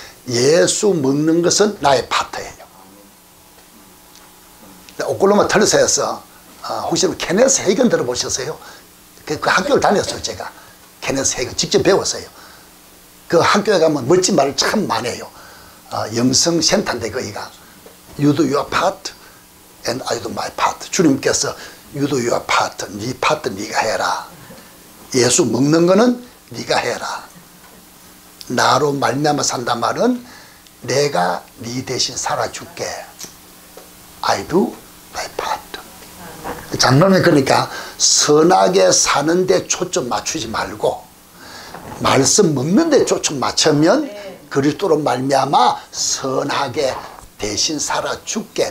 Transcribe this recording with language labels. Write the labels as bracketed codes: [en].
[ko] 예수 먹는 것은 나의 파트예요. 오클라호마 털사에서 혹시 케네스 헤이건 들어보셨어요? 그 학교를 다녔어요, 제가. 케네스 헤이건 직접 배웠어요. 그 학교에 가면 멋진 말을 참 많이 해요. 영성 센터인데 거기가 [en] You do your part and I do my part. [ko] 주님께서 [en] You do your part. [ko] 네 파트 네가 해라. 예수 먹는 거는 네가 해라. 나로 말미암아 산다 말은 내가 네 대신 살아줄게. [en] I do my part. [ko] 장로님 그러니까 선하게 사는 데 초점 맞추지 말고 말씀 먹는 데 초점 맞추면 그리스도로 말미암아 선하게 대신 살아줄게.